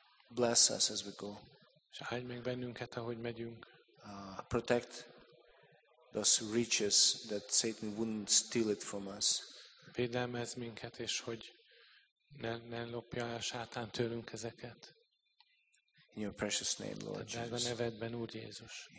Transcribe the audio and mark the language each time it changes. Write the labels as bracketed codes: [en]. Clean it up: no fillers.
[en] Bless us as we go. [hu] És áldj meg bennünket, ahogy megyünk. [en] Protect those riches that Satan wouldn't steal it from us. [hu] Védelmezz minket, és hogy ne lopja el Sátán tőlünk ezeket. [en] In your precious name, Lord Jesus. [hu] Drága nevedben, Úr Jézus.